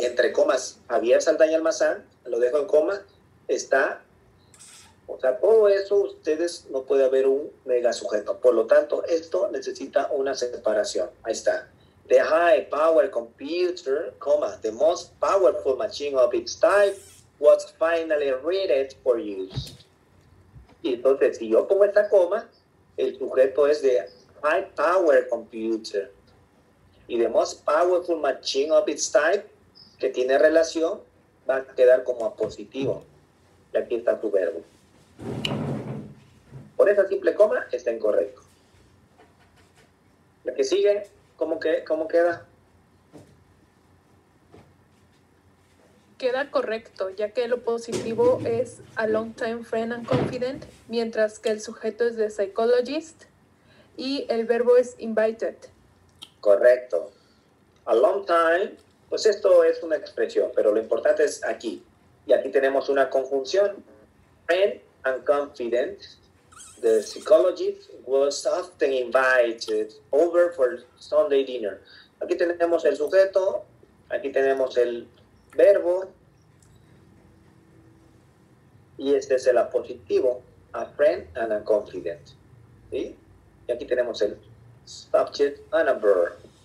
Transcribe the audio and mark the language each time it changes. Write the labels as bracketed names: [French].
[Spanish] Y entre comas, Javier Saldaña Almazán, lo dejo en coma, está, o sea, todo eso, ustedes, no puede haber un mega sujeto. Por lo tanto, esto necesita una separación. Ahí está. [English] The high power computer, coma, the most powerful machine of its type was finally rated for use. [Spanish] Y entonces, si yo pongo esta coma, el sujeto es de [English] high power computer. [Spanish] Y [English] the most powerful machine of its type, [Spanish] que tiene relación, va a quedar como apositivo. Y aquí está tu verbo. Por esa simple coma, está incorrecto. La que sigue, ¿cómo queda? Queda correcto, ya que lo positivo es [English] a long time friend and confident, [Spanish] mientras que el sujeto es [English] the psychologist [Spanish] y el verbo es invited. Correcto. [English] A long time, [Spanish] pues esto es una expresión, pero lo importante es aquí. Y aquí tenemos una conjunción. [English] Friend and confident, the psychologist was often invited over for Sunday dinner. [Spanish] Aquí tenemos el sujeto, aquí tenemos el verbo. Y este es el apositivo, [English] a friend and a confident. [Spanish] ¿Sí? Y aquí tenemos el [English] subject and a verb.